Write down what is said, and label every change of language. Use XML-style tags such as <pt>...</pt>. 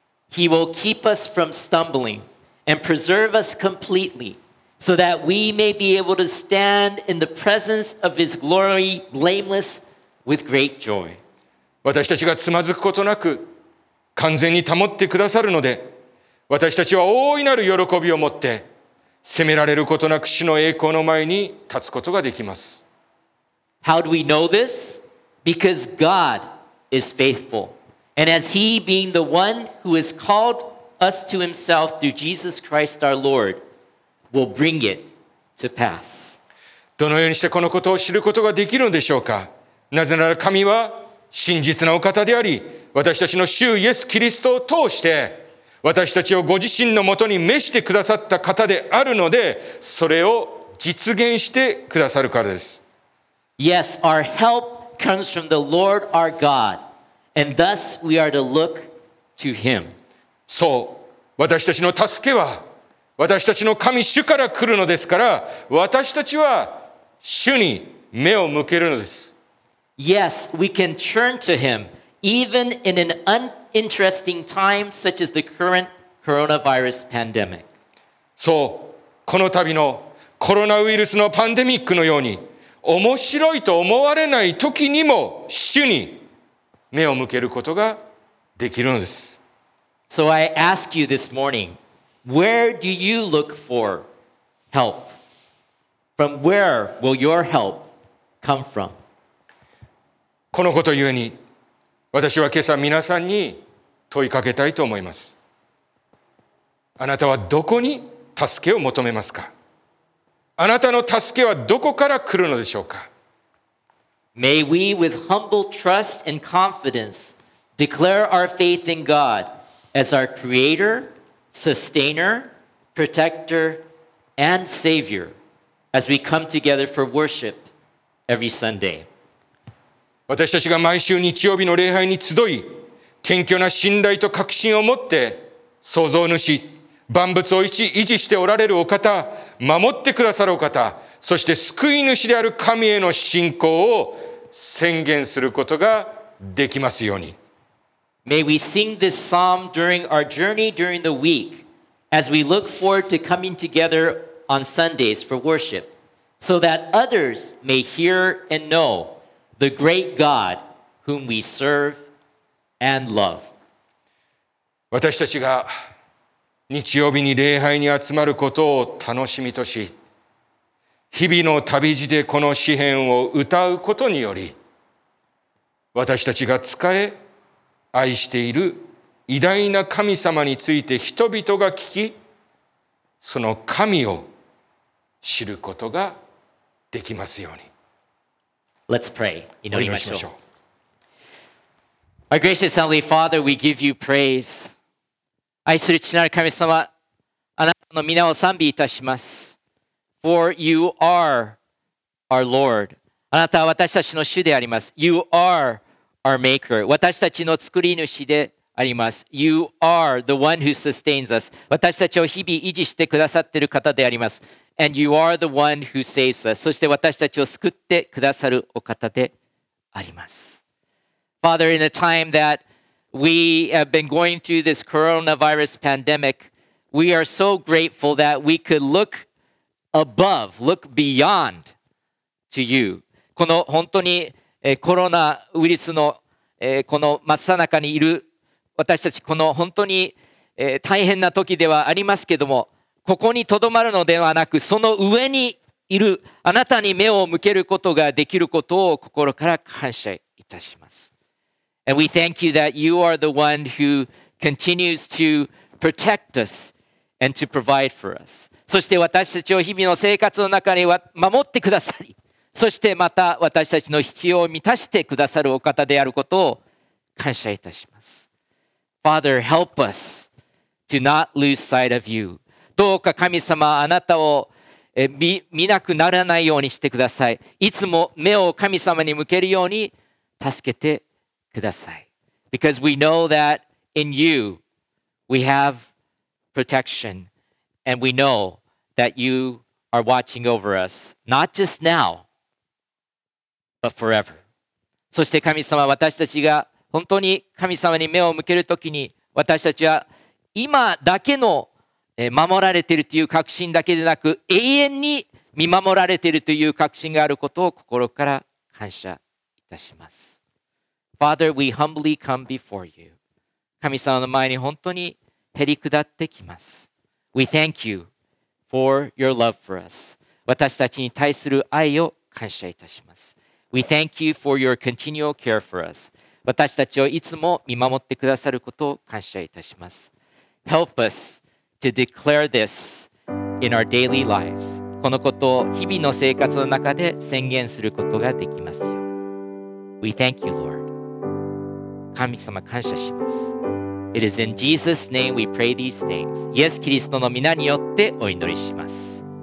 <en>He will keep us from stumbling and preserve us completely so that we may be able to stand in the presence of His glory blameless with great joy.</en> <ja>私たちがつまずくことなく完全に保ってくださるので、私たちは大いなる喜びを持って責められることなく主の栄光の前に立つことができます。</ja> <en>How do we know this? Because God is faithful. And as He being the one who has called us to Himself through Jesus Christ our Lord, will bring it to pass.</en> <ja>どのようにしてこのことを知ることができるのでしょうか。なぜなら神は真実なお方であり、私たちの主イエス・キリストを通して私たちをご自身のもとに召してくださった方であるので、それを実現してくださるからです。</ja> <en>Yes, our help comes from the Lord our God, and thus we are to look to Him.</en> <ja>そう、私たちの助けは私たちの神主から来るのですから、私たちは主に目を向けるのです。</ja> <en>Yes, we can turn to Him. Even in an uninteresting time such as the current coronavirus pandemic.</en> <ja>そう、この度のコロナウイルスのパンデミックのように、面白いと思われない時にも主に目を向けることができるのです。</ja> <en>So I ask you this morning, where do you look for help? From where will your help come from?</en> <ja>このことゆえに、私は今朝皆さんに問いかけたいと思います。あなたはどこに助けを求めますか？あなたの助けはどこから来るのでしょうか？</ja> <en>May we with humble trust and confidence declare our faith in God as our creator, sustainer, protector, and savior as we come together for worship every Sunday.</en> <ja>私たちが毎週日曜日の礼拝に集い、謙虚な信頼と確信を持って創造主、万物を維持しておられるお方、守ってくださるお方、そして救い主である神への信仰を宣言することができますように。</ja> <en>May we sing this psalm during our journey during the week as we look forward to coming together on Sundays for worship so that others may hear and knowThe great God whom we serve and love.</en> <ja>私たちが日曜日に礼拝に集まることを楽しみとし、日々の旅路でこの詩編を歌うことにより、私たちが仕え愛している偉大な神様について人々が聞き、その神を知ることができますように。</ja> <en>Let's pray.</en> <ja>祈りましょう。</ja> <en>Our gracious Heavenly Father, we give you praise.</en> <ja>愛する父なる神様、あなたの皆を賛美いたします。</ja> <en>For you are our Lord.</en> <ja>あなたは私たちの主であります。</ja> <en>You are our Maker.</en> <ja>私たちの作り主であります。</ja> <en>You are the one who sustains us.</en> <ja>私たちを日々維持してくださっている方であります。</ja> <en>And you are the one who saves us.</en> <ja>そして私たちを救ってくださるお方であります。</ja> <en>Father, in a time that we have been going through this coronavirus pandemic, we are so grateful that we could look above, look beyond to you.</en> <ja>この本当にコロナウイルスのこの真っ只中にいる私たち、この本当に大変な時ではありますけども、ここにとどまるのではなく、その上にいるあなたに目を向けることができることを心から感謝いたします。</ja> <en>And we thank you that you are the one who continues to protect us and to provide for us.</en> <ja>そして私たちを日々の生活の中に守ってくださり、そしてまた私たちの必要を満たしてくださるお方であることを感謝いたします。</ja> <en>Father, help us to not lose sight of you.</en> <ja>どうか神様あなたを見なくならないようにしてください。いつも目を神様に向けるように助けてください。</ja> <en>Because we know that in you we have protection and we know that you are watching over us, not just now, but forever.</en> <ja>そして神様私たちが本当に神様に目を向けるときに私たちは今だけの守られているという確信だけでなく永遠に見守られているという確信があることを心から感謝いたします。</ja> <en>Father, we humbly come before you.</en> <ja>神様の前に本当にへり下ってきます。</ja> <en>We thank you for your love for us.</en> <ja>私たちに対する愛を感謝いたします。</ja> <en>We thank you for your continual care for us.</en> <ja>私たちをいつも見守ってくださることを感謝いたします。</ja> <en>Help us to declare this in our daily lives.</en> <ja>このことを日々の生活の中で宣言することができますよ。</ja> <en>We thank you, Lord.</en> <ja>神様、感謝します。</ja> <en>It is in Jesus' name we pray these things.</en> <ja>イエス・キリストの名によってお祈りします。</ja>